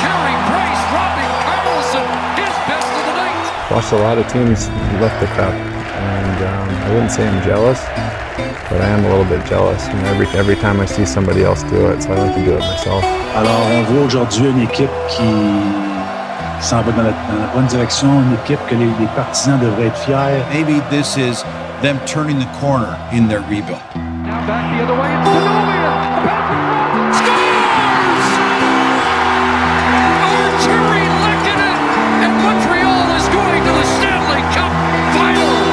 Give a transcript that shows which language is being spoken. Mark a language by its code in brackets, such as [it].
[en] Carey Price robbing Carlson, his best of the night! Watched a lot of teams left the cup, and I wouldn't say I'm jealous, but I am a little bit jealous. You know, every time I see somebody else do it, so I like to do it myself. [fr] Alors, on voit aujourd'hui une équipe qui s'en va dans la bonne direction, une équipe que les partisans devraient être fiers. [en] Maybe this is them turning the corner in their rebuild. Back the other way, and Sanovia, scores! Arturi Lehkonen, and Montreal is going to the Stanley Cup Final!